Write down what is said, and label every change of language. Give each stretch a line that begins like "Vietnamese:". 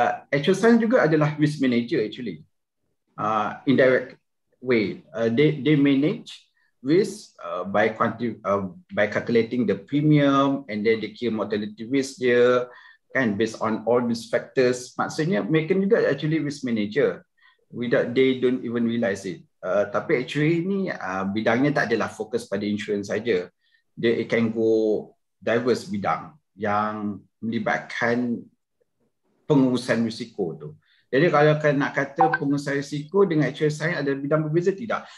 English: Actual science
Malay: juga adalah
English: risk manager actually. Indirect way. They manage risk by calculating the premium and then they kill mortality risk
Malay: dia, kan,
English: based on all these factors.
Malay: Maksudnya mereka juga
English: actually risk manager. Without they don't even realize it.
Malay: Tapi actually ni bidangnya tak adalah fokus pada insurance saja.
English: It can go diverse
Malay: bidang yang melibatkan pengurusan risiko tu. Jadi kalau nak kata pengurusan risiko dengan actual science ada bidang berbeza, tidak.